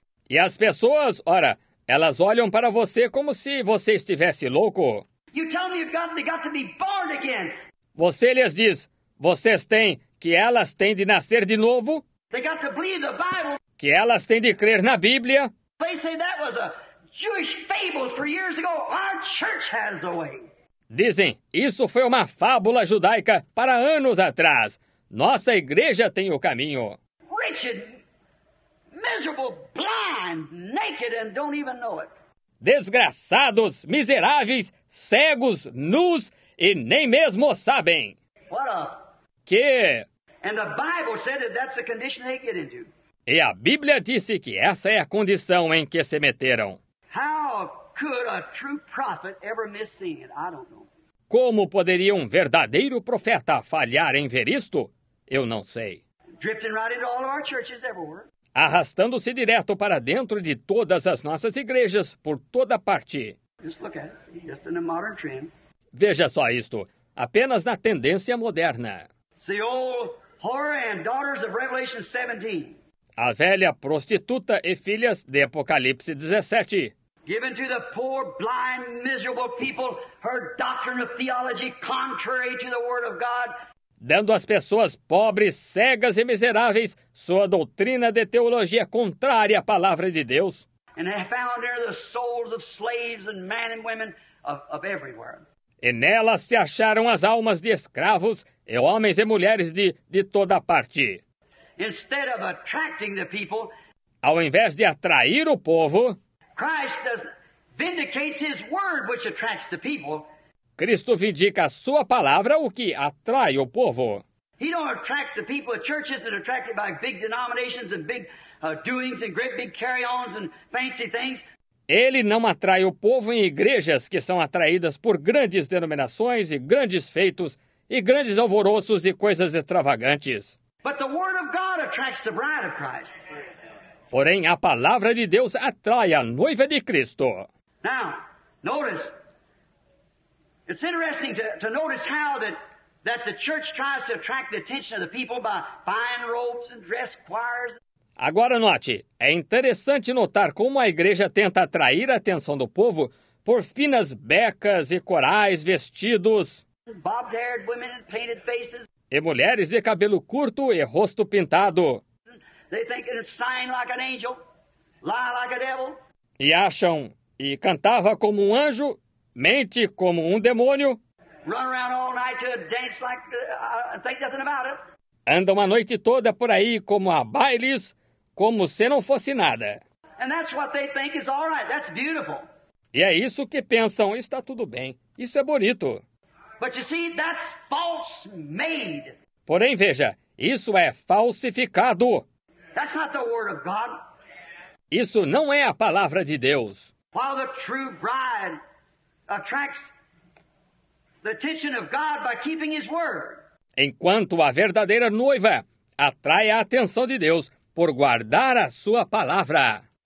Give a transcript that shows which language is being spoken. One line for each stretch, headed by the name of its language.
Portuguese: E as pessoas, ora, elas olham para você como se você estivesse louco.
English: You tell them they got to be born again.
Portuguese: Você lhes diz, vocês têm, que elas têm de nascer de novo.
English: They got to believe the Bible.
Portuguese: Que elas têm de crer na Bíblia.
English: They say that was a Jewish fables for years ago, our church has a way.
Portuguese: Dizem, isso foi uma fábula judaica para anos atrás. Nossa igreja tem o caminho.
English: Wretched, miserable, blind, naked and don't even know it.
Portuguese: Desgraçados, miseráveis, cegos, nus e nem mesmo sabem.
English: What a...
Portuguese: Que?
English: And the Bible said that that's the condition they get into.
Portuguese: E a Bíblia disse que essa é a condição em que se meteram.
English: How could a true prophet ever miss seeing it? I don't know.
Portuguese: Como poderia um verdadeiro profeta falhar em ver isto? Eu não sei.
English: Drifting right into all of our churches everywhere.
Portuguese: Arrastando-se direto para dentro de todas as nossas igrejas, por toda parte.
English: Just look at it. Just in the modern trend.
Portuguese: Veja só isto. Apenas na tendência moderna.
English: The old whore and daughters of Revelation 17.
Portuguese: A velha prostituta e filhas de Apocalipse 17.
English: Given to the poor, blind, miserable people her doctrine of theology contrary to the word of God.
Portuguese: Dando às pessoas pobres, cegas e miseráveis sua doutrina de teologia contrária à palavra de Deus.
English: And they found there the souls of slaves and men and women of everywhere.
Portuguese: E nelas se acharam as almas de escravos e homens e mulheres de toda parte.
English: Instead of attracting the people,
Portuguese: ao invés de atrair o povo,
English: Christ vindicates his word which attracts the people.
Portuguese: Cristo vindica a sua palavra, o que atrai o povo.
English: He don't attract the people of churches that are attracted by big denominations and big doings and great big carry-ons and fancy things.
Portuguese: Ele não atrai o povo em igrejas que são atraídas por grandes denominações e grandes feitos e grandes alvoroços e coisas extravagantes.
English: But the word of God attracts the bride of Christ.
Portuguese: Porém, a palavra de Deus atrai a noiva de Cristo.
English: Now, notice. It's interesting to notice how that the church tries to attract the attention of the people by buying robes and dress choirs.
Portuguese: Agora note, é interessante notar como a igreja tenta atrair a atenção do povo por finas becas e corais vestidos.
English: Bobbed-haired women and painted faces.
Portuguese: E mulheres de cabelo curto e rosto pintado.
English: They think it is sighing like an angel, lie like a devil.
Portuguese: E acham, e cantava como um anjo, mente como um demônio.
English: Run around all night to dance like, think nothing about it.
Portuguese: Andam a noite toda por aí como a bailes, como se não fosse nada.
English: And that's what they think is all right. That's beautiful.
Portuguese: E é isso que pensam, está tudo bem, isso é bonito.
English: But you see, that's false made.
Portuguese: Porém, veja, isso é falsificado.
English: That's not the word of God.
Portuguese: Isso não é a palavra de Deus.
English: While the true bride attracts the attention of God by keeping his word.
Portuguese: Enquanto a verdadeira noiva atrai a atenção de Deus por guardar a sua palavra.